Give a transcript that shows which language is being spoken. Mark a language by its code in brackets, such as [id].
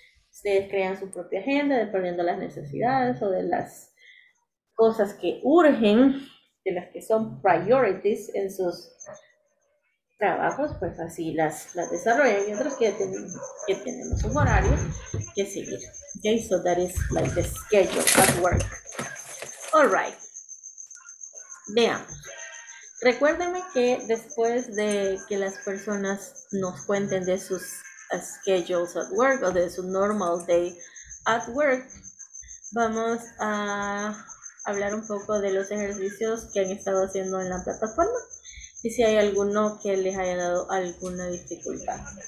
[es] Ustedes crean su propia agenda dependiendo de las necesidades o de las cosas que urgen, de las que son priorities en sus trabajos, pues así las desarrollan. Y otros que tenemos un horario que seguir. [en] Okay, so that is like the schedule at work. All right. [es] Veamos. Recuérdenme que después de que las personas nos cuenten de sus [en] schedules at work [es] o de su [en] normal day at work, [es] vamos a hablar un poco de los ejercicios que han estado haciendo en la plataforma y si hay alguno que les haya dado alguna dificultad.